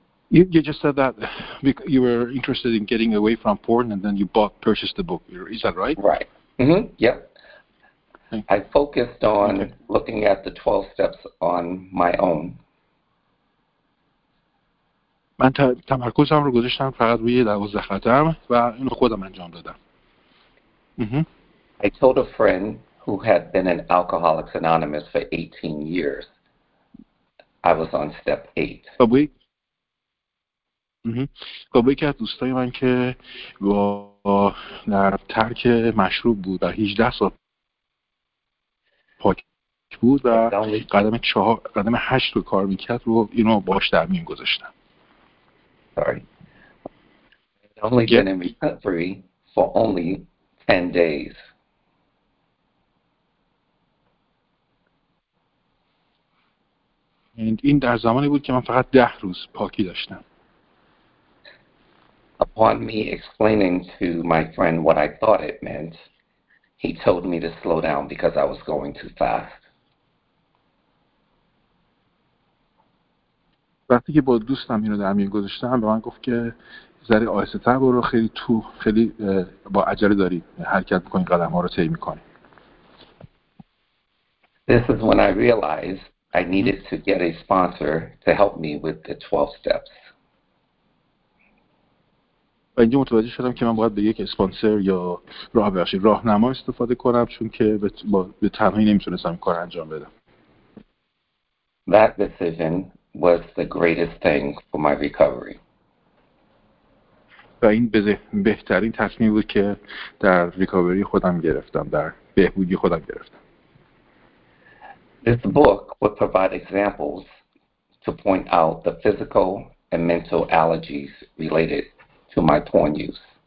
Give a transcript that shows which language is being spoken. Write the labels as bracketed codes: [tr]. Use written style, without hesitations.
[en] You just said that you were interested in getting away from porn, and then you purchased the book. Is that right? Right. Mm-hmm. Yep. I focused on looking at the 12 steps on my own. [fa] من تمرکزم رو گذاشتم فقط روی 12 قدم و اینو خودم انجام دادم. [en] I told a friend who had been an Alcoholics Anonymous for 18 years I was on step 8. [fa] با یکی از دوستای من که با در ترک مشروب بود و 18 سال پاک بود و قدم 8 رو کار میکرد رو اینو باش در میون گذاشتم. [en] Sorry. I'd only been in recovery for only 10 days. And [fa] این در زمانی بود که من فقط 10 روز پاکی داشتم. [en] Upon me explaining to my friend what I thought it meant, he told me to slow down because I was going too fast. [fa] وقتی که با دوستم اینو در میون گذاشتم به من گفت که ذره آهسته تر برو خیلی تو خیلی با عجله داری حرکت میکنی قدم ها رو طی میکنی. [en] This is when I realized I needed to get a sponsor to help me with the 12 steps. [fa] و اینجا متوجه شدم که من باید به یک اسپانسر یا راهنما استفاده کنم چون که به تنهایی نمیتونستم این کار انجام بدم. [en] That decision was the greatest thing for my recovery. [fa] و این بهترین تصمیم بود که در ریکاوری خودم گرفتم، در بهبودی خودم گرفتم. [en] This book would provide examples to point out the physical and mental allergies related to my porn use.